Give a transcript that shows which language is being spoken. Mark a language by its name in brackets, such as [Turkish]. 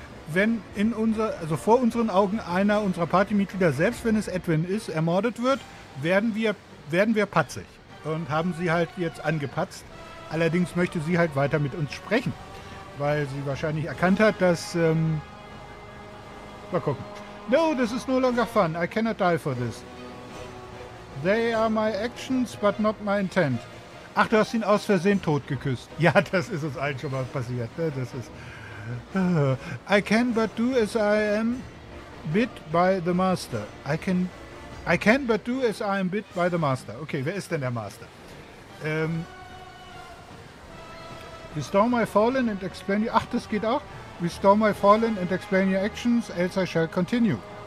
[German] Wenn in unser, also vor unseren Augen einer unserer Partymitglieder, selbst wenn es Edwin ist, ermordet wird, werden wir patzig und haben sie halt jetzt angepatzt. Allerdings möchte sie halt weiter mit uns sprechen, weil sie wahrscheinlich erkannt hat, dass, mal gucken. [English] No, this is no longer fun. I cannot die for this. They are my actions, but not my intent. [German] Ach, du hast ihn aus Versehen tot geküsst. Ja, das ist uns allen schon mal passiert, ne? Das ist... [English] I can but do as I am bid by the master. I can but do as I am bid by the master. [German] Okay, wer ist denn der Master? [English] Restore my fallen and explain your... [German] Ach, das geht auch. [English] Restore my fallen and explain your actions, else I shall continue.